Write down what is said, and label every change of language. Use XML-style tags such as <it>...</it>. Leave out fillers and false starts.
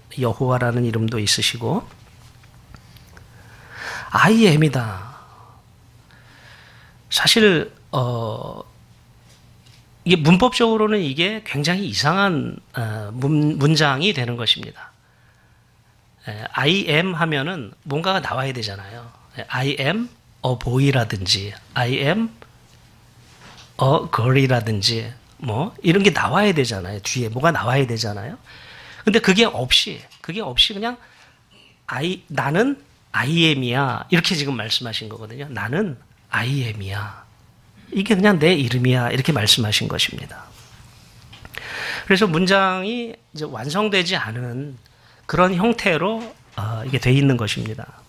<ko>여호와라는 이름도 있으시고</ko> <en>I am</en> <ko>이다. 사실 이게 문법적으로는 이게 굉장히 이상한 문장이 되는 것입니다.</ko> <en>I am</en> <ko>하면은 뭔가가 나와야 되잖아요.</ko> <en>I am a boy</en> <ko>라든지</ko> <en>I am a girl</en> <ko>이라든지 뭐 이런 게 나와야 되잖아요. 뒤에 뭐가 나와야 되잖아요. 근데 그게 없이 그냥 나는</ko> <en>I am</en> <ko>이야. 이렇게 지금 말씀하신 거거든요. 나는</ko> <en>I am</en> <ko>이야. 이게 그냥 내 이름이야. 이렇게 말씀하신 것입니다. 그래서 문장이 이제 완성되지 않은 그런 형태로 이게 돼 있는 것입니다.</ko>